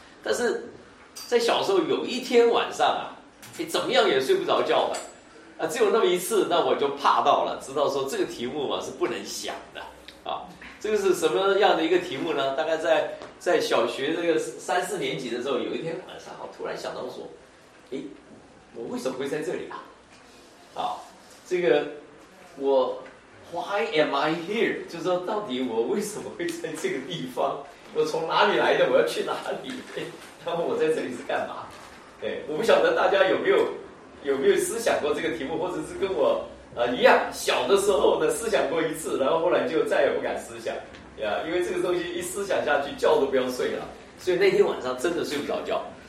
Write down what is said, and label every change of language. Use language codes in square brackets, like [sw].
[zh] 但是在小时候有一天晚上啊，你怎么样也睡不着觉的啊，只有那么一次，那我就怕到了，知道说这个题目嘛是不能想的啊。这个是什么样的一个题目呢？大概在小学这个三四年级的时候，有一天晚上我突然想到说，诶，我为什么会在这里啊？啊，这个我 [en] Why am I here？ [zh] 就是说到底我为什么会在这个地方？我从哪里来的？我要去哪里？他们我在这里是干嘛？对，我不晓得大家有没有思想过这个题目，或者是跟我一样，小的时候呢思想过一次，然后后来就再也不敢思想呀，因为这个东西一思想下去，觉都不要睡了，所以那天晚上真的睡不着觉。